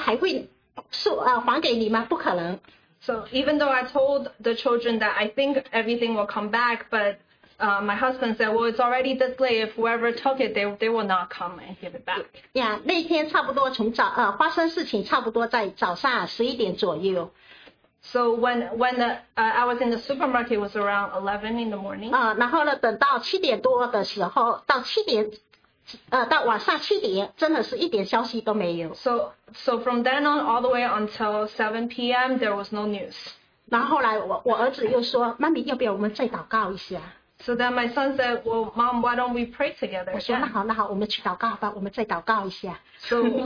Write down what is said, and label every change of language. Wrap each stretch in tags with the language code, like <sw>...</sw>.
<zh>那我呢，还是跟我的孩子们说，哎呀，还是觉得可以要的回来。但是爸爸都说了，都这么晚了，别人拿的东西还会还给你吗？不可能。</zh> <en>So even though I told the children that I think everything will come back, but my husband said, well, it's already this late. If whoever took it, they will not come and give it back.</en> <zh>Yeah, 那天差不多从早，发生事情差不多在早上11点左右。</zh> <en>So when I was in the supermarket, it was around 11 in the morning.</en> <zh>然后呢，等到7点多的时候，到7点。到晚上7点，真的是一点消息都没有。So</zh> <en>from then on all the way until 7 p.m. there was no news.</en> <zh>然后后来我儿子又说，妈咪，要不要我们再祷告一下？So</zh> <en>then my son said, well, mom, why don't we pray together?</en> <zh>我说那好，我们去祷告吧，我们再祷告一下。So</zh>